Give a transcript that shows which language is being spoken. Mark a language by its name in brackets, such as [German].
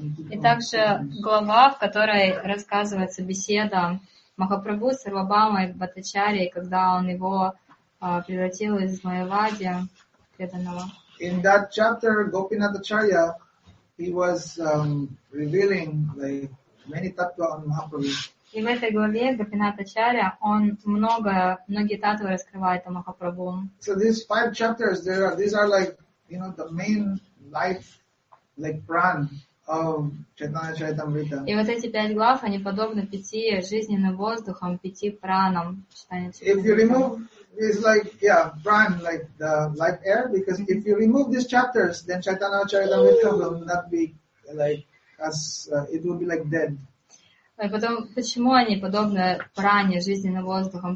[Russian] И также глава, в которой рассказывается беседа Махапрабху с Сарвабхаумой Бхаттачарьей, когда он его превратил из Майавади преданного. [English] In that chapter, Gopinath Acharya, he was revealing like many tattva on Mahaprabhu. [Russian] И в этой главе Гопинат Ачарья он многие таттвы раскрывает о Махапрабху. [English] So these 5 chapters, these are like, you know, the main life. Like pran of Chaitanya Charitamrita. [Russian] И вот эти 5 глав, они подобны 5 жизненным воздухам, 5 пранам. [English] If you remove, it's like, yeah, pran, like the life air, because if you remove these chapters, then Chaitanya Charitamrita will not be like as, it will be like dead. [Russian] Почему они подобны пране, жизненным воздухам?